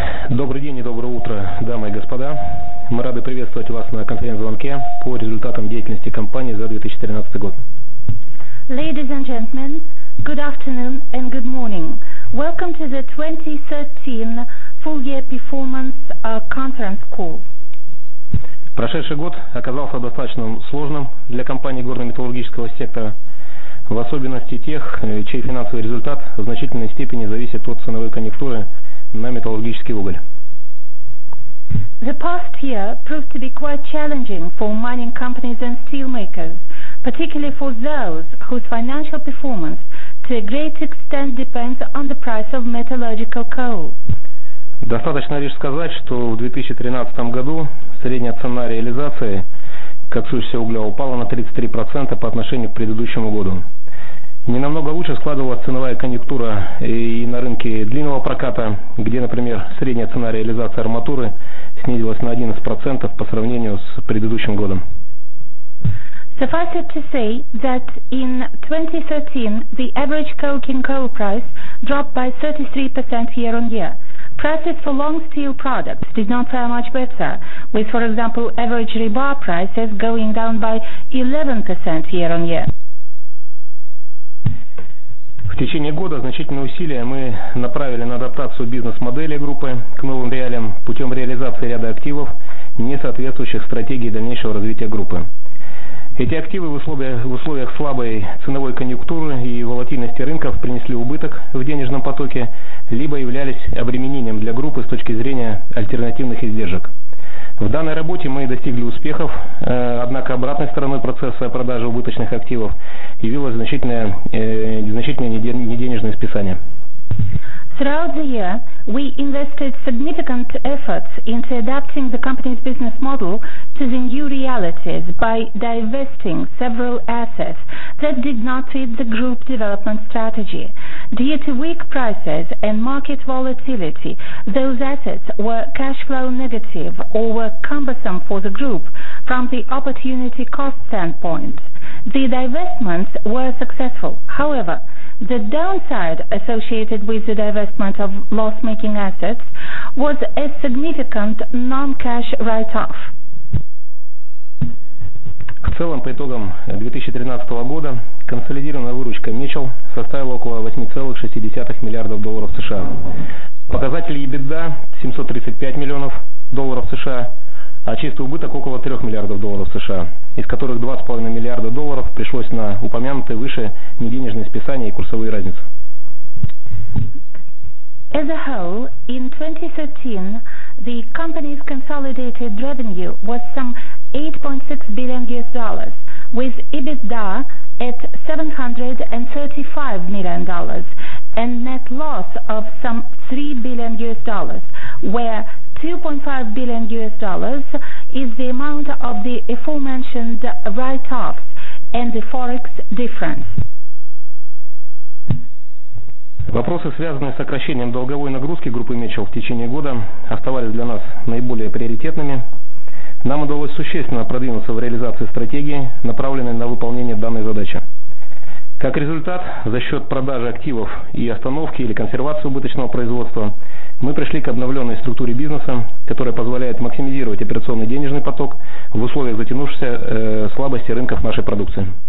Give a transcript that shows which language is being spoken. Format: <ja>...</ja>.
<ru>Добрый день и доброе утро, дамы и господа. Мы рады приветствовать вас на конференц-звонке по результатам деятельности компании за 2013 год.</ru> <en>Ladies and gentlemen, good afternoon and good morning. Welcome to the 2013 full year performance conference call.</en> <ru>Прошедший год оказался достаточно сложным для компаний горно-металлургического сектора, в особенности тех, чей финансовый результат в значительной степени зависит от ценовой конъюнктуры на металлургический уголь.</ru> <en>The past year proved to be quite challenging for mining companies and steelmakers, particularly for those whose financial performance to a great extent depends on the price of metallurgical coal.</en> <ru>Достаточно лишь сказать, что в 2013 году средняя цена реализации коксующегося угля упала на 33% по отношению к предыдущему году. Не намного лучше складывалась ценовая конъюнктура и на рынке длинного проката, где, например, средняя цена реализации арматуры снизилась на 11% по сравнению с предыдущим годом.</ru> <en>Suffice it to say that in 2013 the average coking coal price dropped by 33% year on year. Prices for long steel products did not fare much better, with, for example, average rebar prices going down by 11% year on year.</en> <ru>В течение года значительные усилия мы направили на адаптацию бизнес-модели группы к новым реалиям путем реализации ряда активов, не соответствующих стратегии дальнейшего развития группы. Эти активы в условиях слабой ценовой конъюнктуры и волатильности рынков принесли убыток в денежном потоке, либо являлись обременением для группы с точки зрения альтернативных издержек. В данной работе мы достигли успехов, однако обратной стороной процесса продажи убыточных активов явилось значительное неденежное списание.</ru> <en>Throughout the year, we invested significant efforts into adapting the company's business model to the new realities by divesting several assets that did not fit the group development strategy. Due to weak prices and market volatility, those assets were cash flow negative or were cumbersome for the group from the opportunity cost standpoint. The divestments were successful. However, the downside associated with the divestment of loss-making assets was a significant non-cash write-off.</en> <ru>В целом, по итогам 2013 года, консолидированная выручка Metal составила около 8,6 миллиардов долларов США. Показатель EBITDA 735 миллионов долларов США, а чистый убыток около 3 миллиардов долларов США, из которых 2,5 миллиарда долларов пришлось на упомянутые выше неденежные списания и курсовые разницы.</ru> <en>As a whole, in 2013, the company's consolidated revenue was some $8.6 billion, with EBITDA at $735 million and net loss of some $3 billion, where $2.5 billion is the amount of the aforementioned write-offs and the forex difference.</en> <ru>Вопросы, связанные с сокращением долговой нагрузки группы Мечел в течение года, оставались для нас наиболее приоритетными. Нам удалось существенно продвинуться в реализации стратегии, направленной на выполнение данной задачи. Как результат, за счет продажи активов и остановки или консервации убыточного производства, мы пришли к обновленной структуре бизнеса, которая позволяет максимизировать операционный денежный поток в условиях затянувшейся слабости рынков нашей продукции.</ru>